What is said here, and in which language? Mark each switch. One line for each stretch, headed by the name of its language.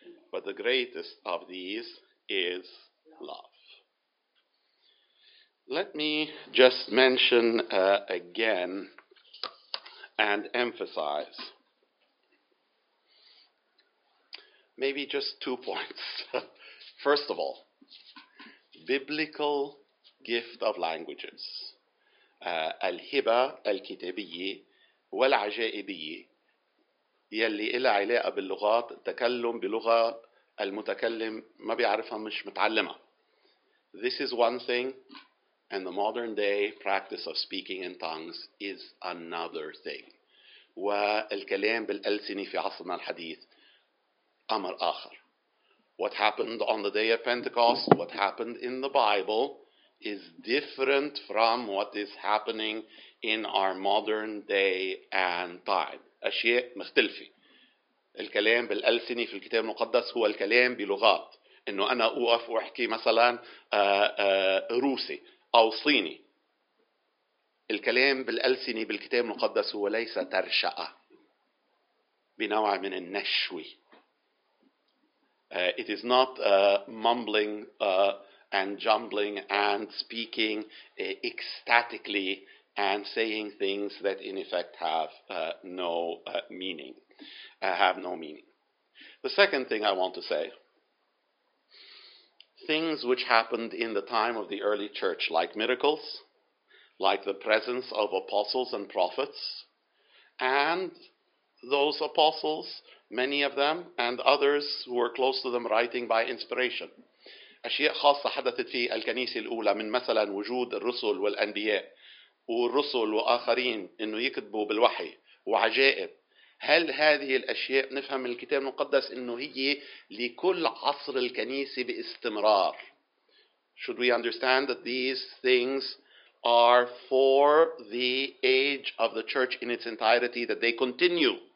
English: But the greatest of these is love. Let me just mention again and emphasize maybe just 2 points. First of all, biblical gift of languages,
Arabic: الهبة الكتابية والعجائبية يلي إلها علاقة باللغات, تكلم بلغة المتكلم ما بيعرفها مش متعلمة.
English: This is one thing. And the modern day practice of speaking in tongues is another thing.
Arabic: والكلام بالألسنة في عصرنا الحديث أمر آخر.
English: What happened on the day of Pentecost, what happened in the Bible, is different from what is happening in our modern day and time.
Arabic: أشياء مختلفة. الكلام بالألسنة في الكتاب المقدس هو الكلام بلغات. إنه أنا أوقف وأحكي مثلا روسي. أو صيني. الكلام بالألسنة بالكتاب المقدس هو ليس ترشأة بنوع من النشوي.
English: It is not mumbling and jumbling and speaking ecstatically and saying things that in effect have no meaning. Have no meaning. The second thing I want to say. Things which happened in the time of the early church, like miracles, like the presence of apostles and prophets, and those apostles, many of them, and others who were close to them writing by inspiration.
Arabic: أشياء خاصة حدثت في الكنيسة الأولى من مثلا وجود الرسل والأنبياء والرسل وآخرين إنه يكتبوا بالوحي وعجائب. هل هذه الأشياء نفهم من الكتاب المقدس إنه هي لكل عصر الكنيسة باستمرار؟
English: Should we understand that these things are for the age of the church in its entirety, that they continue?